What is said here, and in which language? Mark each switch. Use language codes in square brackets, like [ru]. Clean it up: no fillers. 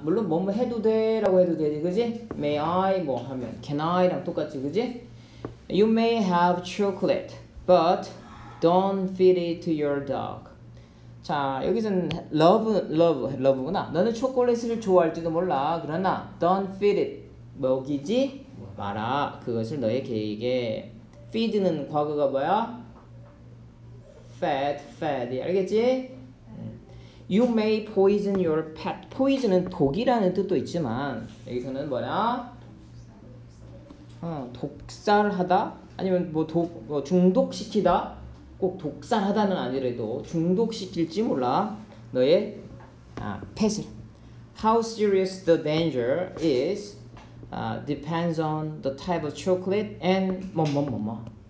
[ko] 물론 뭐뭐 해도 돼라고 해도 되지, 그지? [en] May I [ko] 뭐 하면 [en] can I [ko] 랑 똑같지, 그지? [en] You may have chocolate, but don't feed it to your dog. [ko] 자, 여기서는 love구나. 너는 초콜릿을 좋아할지도 몰라. 그러나 [en] don't feed it, [ko] 먹이지 마라. 그것을 너의 개에게. feed는 과거가 뭐야? [en] fed, [ko] 알겠지? [en] You may poison your pet. [ko] poison은 독이라는 뜻도 있지만 여기서는 뭐냐? 독살하다? 아니면 뭐 중독시키다? 꼭 독살하다는 아니래도 중독시킬지 몰라. 너의 pet을. [en] How serious the danger is depends on the type of chocolate and [ko] 뭐뭐뭐뭐.